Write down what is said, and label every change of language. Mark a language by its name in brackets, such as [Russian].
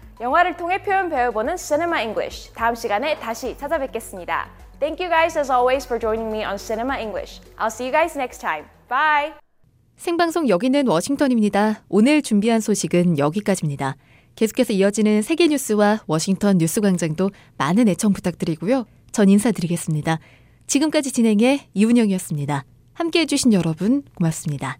[Korean] 영화를 통해 표현 배워보는 Cinema English. 다음 시간에 다시 찾아뵙겠습니다. [English] Thank you guys as always for joining me on Cinema English. I'll see you guys next time. Bye! [Korean] 생방송 여기는 워싱턴입니다. 오늘 준비한 소식은 여기까지입니다. 계속해서 이어지는 세계 뉴스와 워싱턴 뉴스 광장도 많은 애청 부탁드리고요. 전 인사드리겠습니다. 지금까지 진행해 이은영이었습니다. 함께해 주신 여러분 고맙습니다.